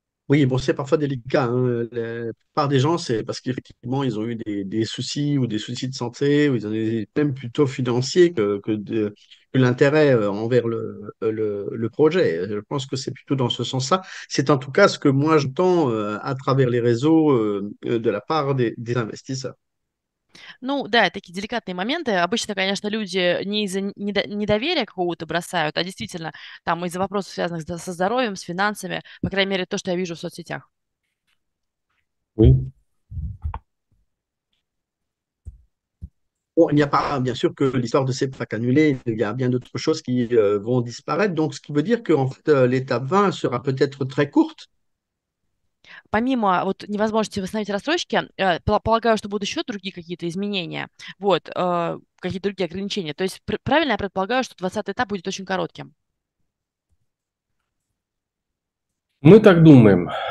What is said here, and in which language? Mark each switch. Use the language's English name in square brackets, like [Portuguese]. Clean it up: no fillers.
[French] Oui, bon, c'est parfois délicat. Hein. La plupart des gens, c'est parce qu'effectivement, ils ont eu des soucis ou des soucis de santé, ou ils ont eu même plutôt financiers que l'intérêt envers le projet. Je pense que c'est plutôt dans ce sens-là. C'est en tout cas ce que moi j'entends à travers les réseaux de la part des investisseurs. [Russian] Ну да, такие деликатные моменты. Обычно, конечно, люди не из-за недоверия какого-то бросают, а действительно там из-за вопросов, связанных со здоровьем, с финансами, по крайней мере, то, что я вижу в соцсетях. Oui. [French] Bon, il n'y a pas, bien sûr, que l'histoire de ces packs annulés, il y a bien d'autres choses qui vont disparaître. Donc, ce qui veut dire que en fait, l'étape 20 sera peut-être très courte. [Russian] Помимо вот невозможности восстановить рассрочки, полагаю, что будут еще другие какие-то изменения, вот, какие-то другие ограничения. То есть правильно я предполагаю, что 20-й этап будет очень коротким. Мы так думаем.